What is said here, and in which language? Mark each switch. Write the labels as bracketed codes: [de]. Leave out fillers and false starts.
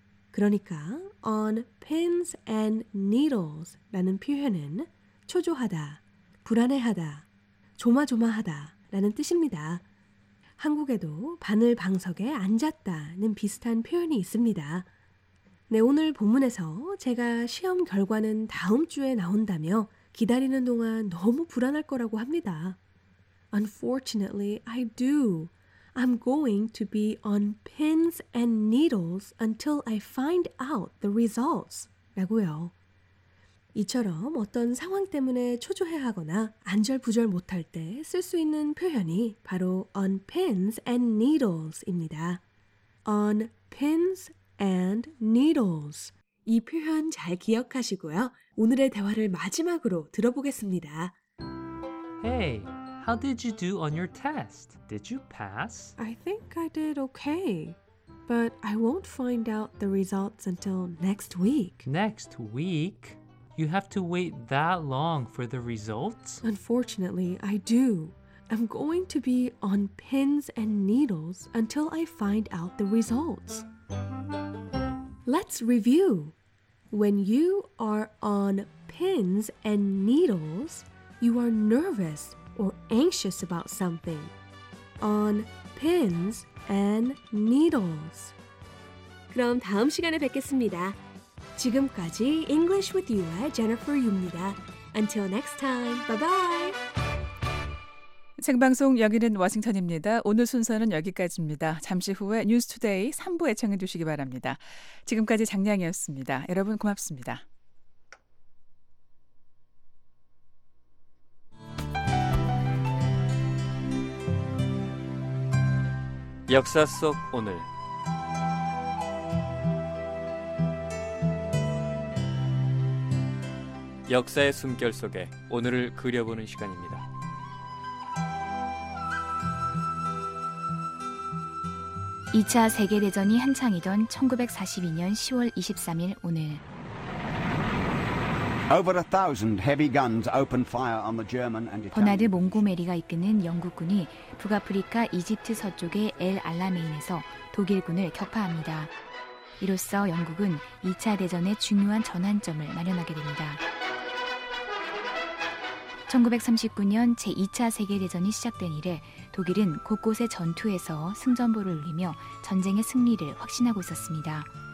[ko] 그러니까 [en] on pins and needles [ko] 라는 표현은 초조하다, 불안해하다, 조마조마하다 라는 뜻입니다. 한국에도 바늘 방석에 앉았다는 비슷한 표현이 있습니다. 네, 오늘 본문에서 제가 시험 결과는 다음 주에 나온다며 기다리는 동안 너무 불안할 거라고 합니다. [en] Unfortunately, I do. I'm going to be on pins and needles until I find out the results. [ko] 라고요. 이처럼 어떤 상황 때문에 초조해하거나 안절부절 못할 때 쓸 수 있는 표현이 바로 [en] on pins and needles [ko] 입니다. [en] On pins and needles. [ko] 이 표현 잘 기억하시고요. 오늘의 대화를 마지막으로 들어보겠습니다. [en] Hey, how did you do on your test? Did you pass? I think I did okay. But I won't find out the results until next week. Next week? You have to wait that long for the results? Unfortunately, I do. I'm going to be on pins and needles until I find out the results. Let's review. When you are on pins and needles, you are nervous or anxious about something. On pins and needles. [ko] 그럼 다음 시간에 뵙겠습니다. 지금까지 English with You의 Jennifer Yu입니다. [en] Until next time, bye-bye! [ko] 생방송 여기는 워싱턴입니다. 오늘 순서는 여기까지입니다. 잠시 후에 뉴스 투데이 3부 애청해 주시기 바랍니다. 지금까지 장량이었습니다. 여러분 고맙습니다. Yoksa sok onul. Yoksa의 숨결 속에 오늘을 그려보는 시간입니다. 2차 세계대전이 한창이던 1942년 10월 23일 오늘. [en] Over a thousand heavy guns opened fire on the German and Italian. [ko] 버나드 몽고메리가 이끄는 영국군이 북아프리카 이집트 서쪽의 엘 알라메인에서 독일군을 격파합니다. 이로써 영국은 2차 대전의 중요한 전환점을 마련하게 됩니다. 1939년 제2차 세계대전이 시작된 이래 독일은 곳곳의 전투에서 승전보를 울리며 전쟁의 승리를 확신하고 있었습니다.